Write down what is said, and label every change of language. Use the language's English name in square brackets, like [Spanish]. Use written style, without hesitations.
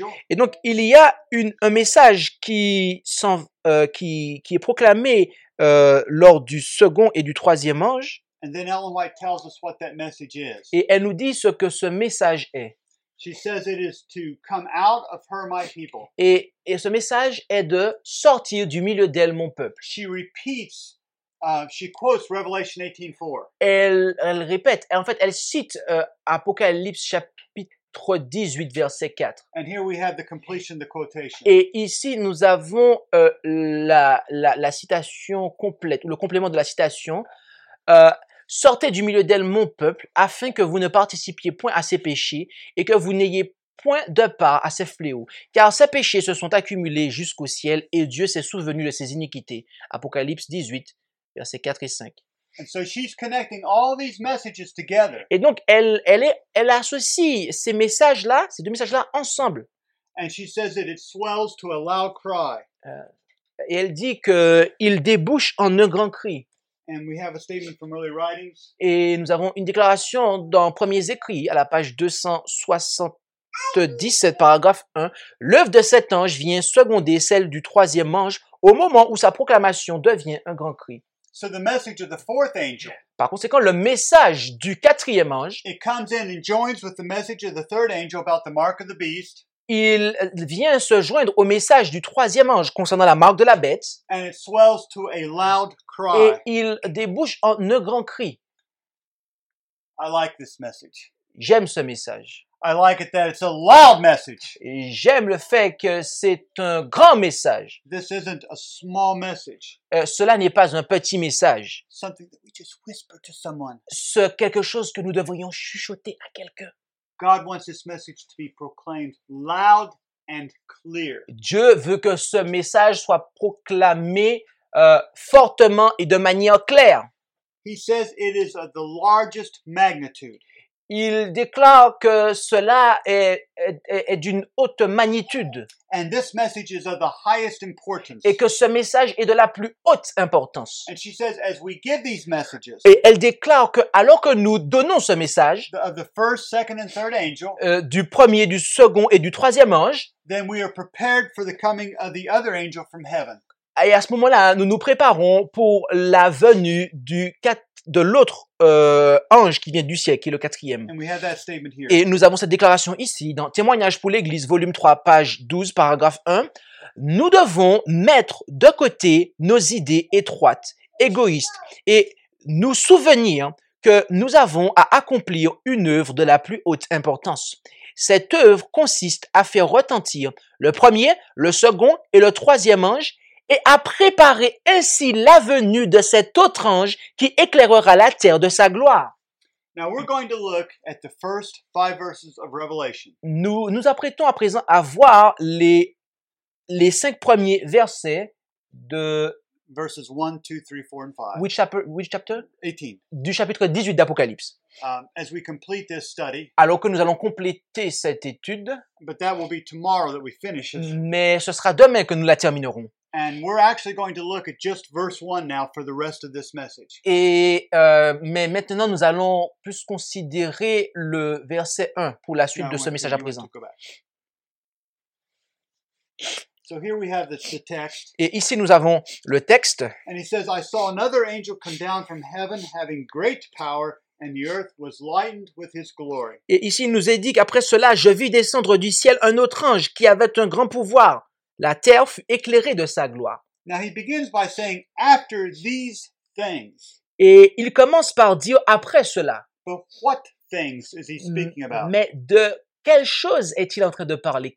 [French] Et donc, il y a un message qui est proclamé lors du second et du troisième ange. [English] And then Ellen White tells us what that message is. [French] Et elle nous dit ce que ce message est. [English] She says it is to come out of her, my people. [French] Et ce message est de sortir du milieu d'elle, mon peuple. [English] She repeats. She quotes Revelation 18:4. [French] Elle répète. En fait, elle cite Apocalypse chapitre 18, verset 4. [English] And here we have the completion of the quotation. [French] Et ici, nous avons la citation complète, ou le complément de la citation. Sortez du milieu d'elle, mon peuple, afin que vous ne participiez point à ses péchés et que vous n'ayez point de part à ses fléaux. Car ses péchés se sont accumulés jusqu'au ciel et Dieu s'est souvenu de ses iniquités. Apocalypse 18. Versets 4 et 5. [English] And so she's connecting all these messages together. [French] Et donc, elle associe ces messages-là, ces deux messages-là, ensemble. [English] And she says that it swells to a loud cry. [French] Et elle dit qu'il débouche en un grand cri. [English] And we have a statement from early writings. [French] Et nous avons une déclaration dans Premiers Écrits, à la page 277, paragraphe 1. L'œuvre de cet ange vient seconder celle du troisième ange au moment où sa proclamation devient un grand cri. [English] So the message of the fourth angel, [French] par conséquent, le message du quatrième ange, [English] it comes in and joins with the message of the third angel about the mark of the beast. [French] Il vient se joindre au message du troisième ange concernant la marque de la bête. [English] And it swells to a loud cry. [French] Et il débouche en un grand cri. [English] I like this message. [French] J'aime ce message. [English] I like it that it's a loud message. [French] Et j'aime le fait que c'est un grand message. [English] This isn't a small message. [French] Cela n'est pas un petit message. [English] Something that we just whisper to someone. [French] C'est quelque chose que nous devrions chuchoter à quelqu'un. [English] God wants this message to be proclaimed loud and clear. [French] Dieu veut que ce message soit proclamé fortement et de manière claire. [English] He says it is of the largest magnitude. [French] Il déclare que cela est d'une haute magnitude. [English] And this message is of the highest importance. [French] Et que ce message est de la plus haute importance. [English] And she says, as we give these messages, [French] et elle déclare que alors que nous donnons ce message [English] of the first, second, and third angel, [French] du premier, du second et du troisième ange, [English] then we are prepared for the coming of the other angel from heaven. [French] Et à ce moment-là, nous nous préparons pour la venue de l'autre ange qui vient du ciel, qui est le quatrième. [English] And we have that statement here. [French] Et nous avons cette déclaration ici, dans Témoignage pour l'Église, volume 3, page 12, paragraphe 1. Nous devons mettre de côté nos idées étroites, égoïstes, et nous souvenir que nous avons à accomplir une œuvre de la plus haute importance. Cette œuvre consiste à faire retentir le premier, le second et le troisième ange et à préparer ainsi la venue de cet autre ange qui éclairera la terre de sa gloire. [English] Now we're going to look at the first five verses of Revelation. [French] Nous nous apprêtons à présent à voir les cinq premiers versets de [English] verses 1, 2, 3, 4, and 5. Which chapter? 18. [French] Du chapitre 18 d'Apocalypse. [English] As we complete this study, [French] alors que nous allons compléter cette étude, [English] but that will be tomorrow that we finish it. [French] Mais ce sera demain que nous la terminerons. [English] And we're actually going to look at just verse 1 now for the rest of this message. [French] Mais maintenant nous allons plus considérer le verset 1 pour la suite de ce message à présent. [English] So here we have the text. [French] Et ici nous avons le texte. [English] And he says, I saw another angel come down from heaven having great power, and the earth was lightened with his glory. [French] Et ici il nous est dit qu'après cela, je vis descendre du ciel un autre ange qui avait un grand pouvoir. La terre fut éclairée de sa gloire. [English] Now he begins by saying, after these things. [French] Et il commence par dire après cela. [English] But what things is he speaking about? [French] Mais de quelle chose est-il en train de parler?